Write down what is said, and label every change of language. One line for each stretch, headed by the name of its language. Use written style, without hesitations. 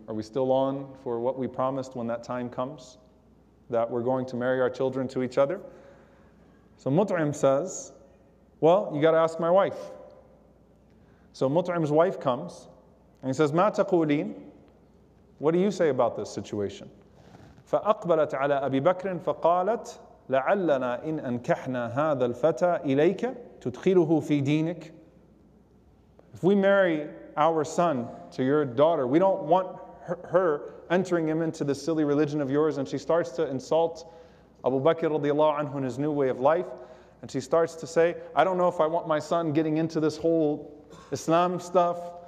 English: Are we still on for what we promised when that time comes, that we're going to marry our children to each other? So Mut'im says, "Well, you got to ask my wife." So Mut'im's wife comes and he says, "Ma taqulin?" What do you say about this situation?
Arabic: فأقبلت على أبي بكر فقالت لعلنا إن أنكحنا هذا الفتى إليك تدخله في دينك.
English: If we marry our son to your daughter, we don't want her entering him into this silly religion of yours. And she starts to insult Abu Bakr radiallahu anhu in his new way of life. And she starts to say, I don't know if I want my son getting into this whole Islam stuff.